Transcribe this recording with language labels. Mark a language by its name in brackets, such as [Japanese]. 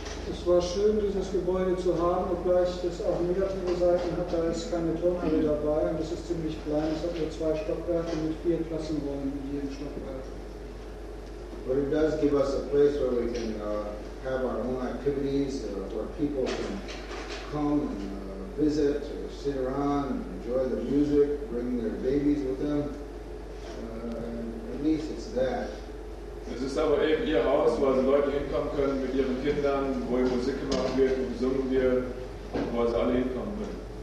[German] Es war schön, dieses Gebäude zu haben, obgleich das auch negative Seiten hat. Da ist keine Turnhalle dabei und es ist ziemlich klein. Es hat nur 2 Stockwerke mit 4 Klassenräumen in jedem Stockwerk. [English] But it does give us a place where we can have our own activities, where people can come and visit, or sit around and enjoy the music, bring their babies with them. At least it's that. [German] Es ist aber eben ihr Haus, wo also Leute hinkommen können mit ihren Kindern, wo ihr Musik gemacht wird, wo gesungen wird, wo also alle hinkommen können.